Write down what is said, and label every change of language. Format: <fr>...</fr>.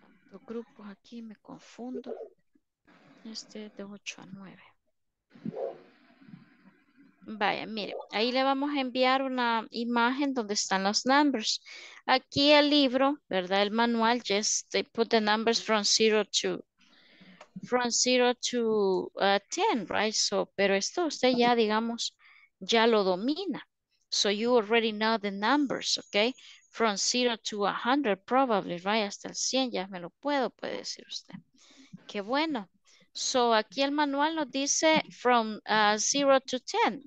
<es>Los grupos aquí, me confundo. Este es de 8 a 9. Vaya, mire, ahí le vamos a enviar una imagen donde están los</es> <en>numbers.</en> <es>Aquí el libro, ¿verdad? El manual,</es> <en>just they put the numbers from 0 to 10, right?</en> <es>So, pero esto usted ya, digamos, ya lo domina.</es> <en>So you already know the numbers, okay? From 0 to 100, probably, right?</en> <es>Hasta el 100 ya me lo puedo, puede decir usted. Qué bueno. So, aquí el manual nos dice</es> <en>from 0 to 10.</en>